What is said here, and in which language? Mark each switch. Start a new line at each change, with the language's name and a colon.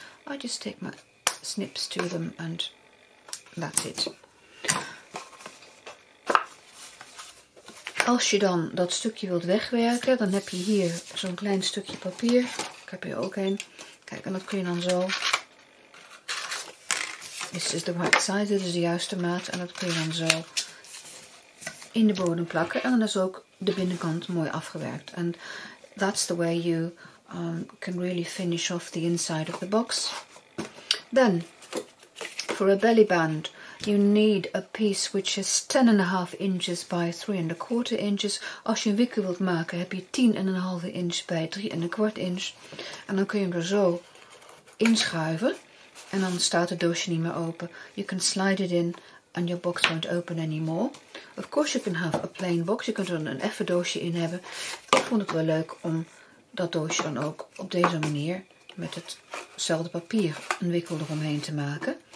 English: I just take my snips to them and that's it.
Dutch: Als je dan dat stukje wilt wegwerken, dan heb je hier zo'n klein stukje papier. Ik heb hier ook een. Kijk, en dat kun je dan zo.
English: This is the right size,
Dutch: dit is de juiste maat. En dat kun je dan zo in de bodem plakken. En dan is ook de binnenkant mooi afgewerkt.
English: And that's the way you can really finish off the inside of the box. Then, for a belly band, you need a piece which is 10.5 inches by 3.25 inches.
Dutch: Als je een wikker wilt maken, heb je 10.5 inch bij 3.25 inch. En dan kun je hem er zo inschuiven. En dan staat het doosje niet meer open.
English: You can slide it in and your box won't open anymore. Of course you can have a plain box.
Dutch: Je kunt er een effen doosje in hebben. Ik vond het wel leuk om dat doosje dan ook op deze manier met hetzelfde papier een wikkel eromheen te maken.